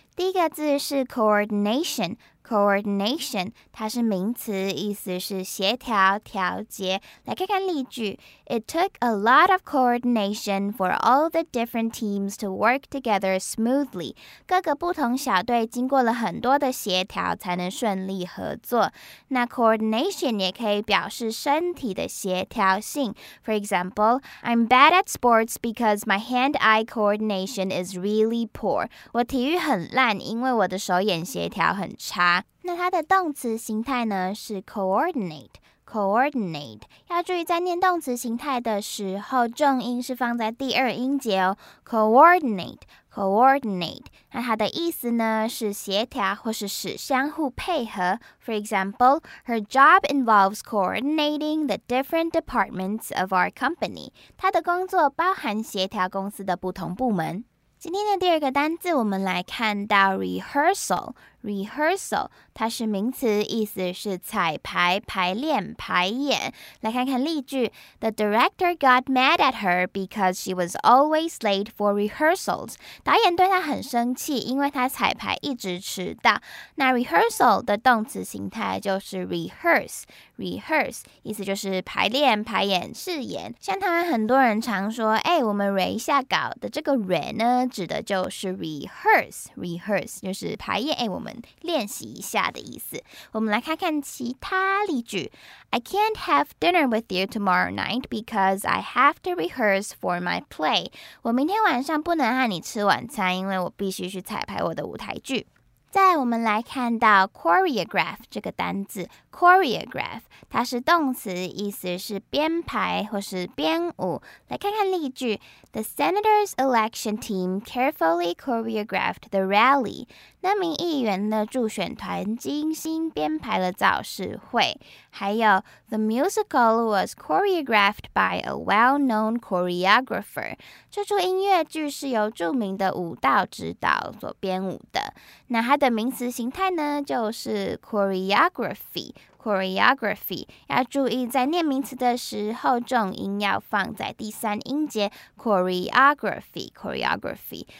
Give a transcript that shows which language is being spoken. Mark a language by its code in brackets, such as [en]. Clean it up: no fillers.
[zh] 第一个字是 coordination，Coordination， 它是名词，意思是协调、调节。来看看例句 [en] ：It took a lot of coordination for all the different teams to work together smoothly。 [zh] 各个不同小队经过了很多的协调，才能顺利合作。那 coordination 也可以表示身体的协调性。 [en] For example， I'm bad at sports because my hand-eye coordination is really poor。 [zh] 我体育很烂，因为我的手眼协调很差。那它的动词形态呢是 coordinate， coordinate。要注意在念动词形态的时候，重音是放在第二音节哦。 coordinate， coordinate。那它的意思呢是协调或是使相互配合。 [en] For example， her job involves coordinating the different departments of our company。 [zh] 她的工作包含协调公司的不同部门。今天的第二个单字我们来看到 rehearsal， rehearsal， 它是名词，意思是彩排、排练、排演。来看看例句 [en] ,The director got mad at her because she was always late for rehearsals. [zh] 导演对她很生气，因为她彩排一直迟到。那 rehearsal 的动词形态就是 rehearse， rehearse， 意思就是排练、排演、试演。像台湾很多人常说，哎，我们 re 一下稿的这个 re 呢，指的就是 rehearse， rehearse 就是排练，我们练习一下的意思。我们来看看其他例句。 [en] I can't have dinner with you tomorrow night because I have to rehearse for my play. [zh] 我明天晚上不能和你吃晚餐，因为我必须去彩排我的舞台剧。再我们来看到 choreograph 这个单字。 choreograph 它是动词，意思是编排或是编舞。来看看例句 [en] The senator's election team carefully choreographed the rally. [zh] 那名议员的助选团精心编排了造势会。还有 [en] The musical was choreographed by a well-known choreographer. [zh] 这出音乐剧是由著名的舞蹈指导所编舞的。那它的名词形态呢，就是 choreography， choreography， 要注意在念名词的时候重音要放在第三音节 choreography choreography。